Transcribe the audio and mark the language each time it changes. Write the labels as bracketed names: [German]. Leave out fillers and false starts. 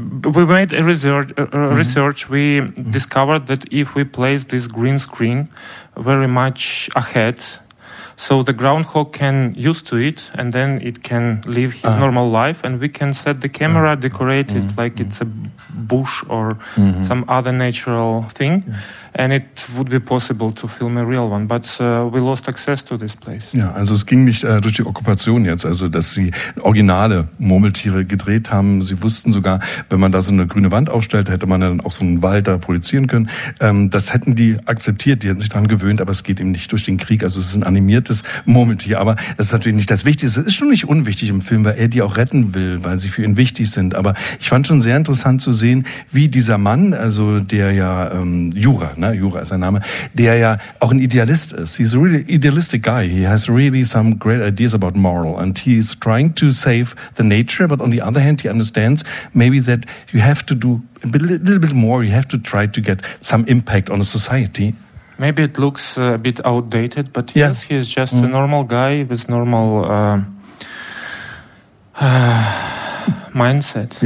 [English] We made a research. We discovered that if we place this green screen very much ahead, so the groundhog can used to it, and then it can live his normal life, and we can set the camera, decorate it like it's a bush or some other natural thing, and it would be possible to film a real one. But we lost access to this place. [German] Ja, also es ging nicht durch die Okkupation jetzt, also dass sie originale Murmeltiere gedreht haben. Sie wussten sogar, wenn man da so eine grüne Wand aufstellt, hätte man dann auch so einen Wald da projizieren können. Das hätten die akzeptiert, die hätten sich daran gewöhnt, aber es geht eben nicht durch den Krieg. Also es ist ein animiertes echtes Murmeltier. Aber das ist natürlich nicht das Wichtigste. Es ist schon nicht unwichtig im Film, weil er die auch retten will, weil sie für ihn wichtig sind. Aber ich fand schon sehr interessant zu sehen, wie dieser Mann, also der ja Jura, ne, Jura ist sein Name, der ja auch ein Idealist ist. [English] He's a really idealistic guy. He has really some great ideas about moral. And he's trying to save the nature. But on the other hand, he understands maybe that you have to do a little bit more. You have to try to get some impact on a society. Maybe it looks a bit outdated, but yes, yeah, he is just a normal guy with normal mindset.